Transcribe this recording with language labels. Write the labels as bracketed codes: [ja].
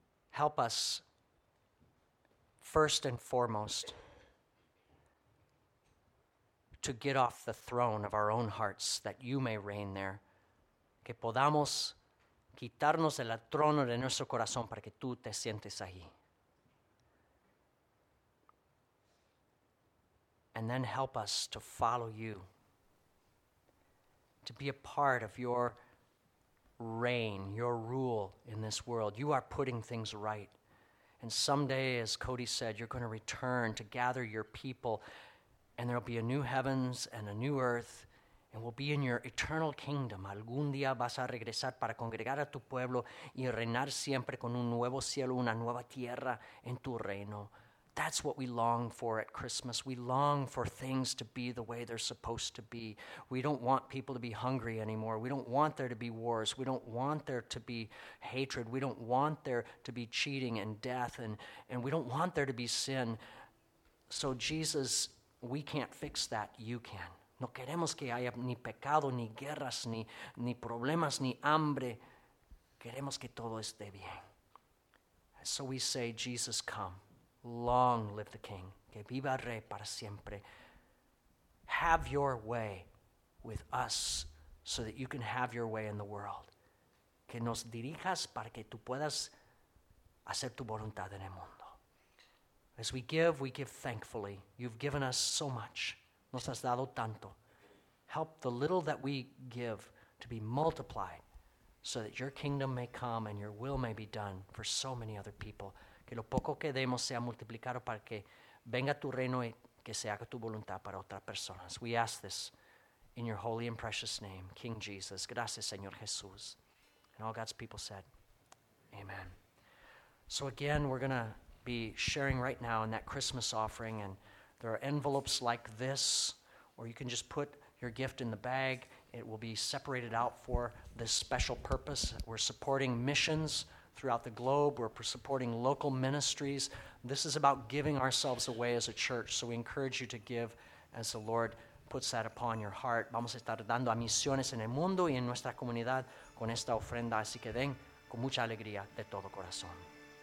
[en] Help us, first and foremost, to get off the throne of our own hearts, that you may reign there. [es] Que podamos quitarnos del trono de nuestro corazón para que tú te sientes ahí. [en] And then help us to follow you, to be a part of your reign, your rule in this world. You are putting things right. And someday, as Cody said, you're going to return to gather your people, and there'll be a new heavens and a new earth, and we'll be in your eternal kingdom. [es] Algún día vas a regresar para congregar a tu pueblo y reinar siempre con un nuevo cielo, una nueva tierra en tu reino. [en] That's what we long for at Christmas. We long for things to be the way they're supposed to be. We don't want people to be hungry anymore. We don't want there to be wars. We don't want there to be hatred. We don't want there to be cheating and death, and we don't want there to be sin. So Jesus, we can't fix that. You can. [es] No queremos que haya ni pecado, ni guerras, ni problemas, ni hambre. Queremos que todo esté bien. [en] So we say, Jesus, come. Long live the King. [es] Que viva el Rey para siempre. [en] Have your way with us so that you can have your way in the world. [es] Que nos dirijas para que tú puedas hacer tu voluntad en el mundo. [en] As we give thankfully. You've given us so much. [es] Nos has dado tanto. [en] Help the little that we give to be multiplied so that your kingdom may come and your will may be done for so many other people. [es] Que lo poco que demos sea multiplicado para que venga tu reino y que se haga tu voluntad para otras personas. [en] We ask this in your holy and precious name, King Jesus. [es] Gracias, Señor Jesús. [en] And all God's people said, amen. So again, we're going to be sharing right now in that Christmas offering, and there are envelopes like this, or you can just put your gift in the bag. It will be separated out for this special purpose. We're supporting missions throughout the globe. We're supporting local ministries. This is about giving ourselves away as a church, so we encourage you to give as the Lord puts that upon your heart. [es] Vamos a estar dando a misiones en el mundo y en nuestra comunidad con esta ofrenda, así que den con mucha alegría de todo corazón.